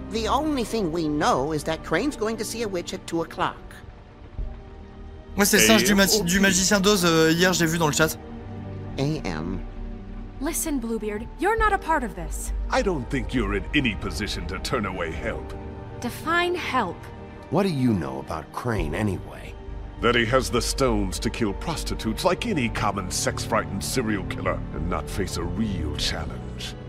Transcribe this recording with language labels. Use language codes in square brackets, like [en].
[en] The only thing we know is that Crane's going to see a witch at 2 o'clock. [fr] Ouais, c'est le singe du magicien d'Oz, hier, j'ai vu dans le chat. [en] A.M. Listen, Bluebeard, you're not a part of this. I don't think you're in any position to turn away help. Define help. What do you know about Crane, anyway? That he has the stones to kill prostitutes like any common sex-frightened serial killer and not face a real challenge.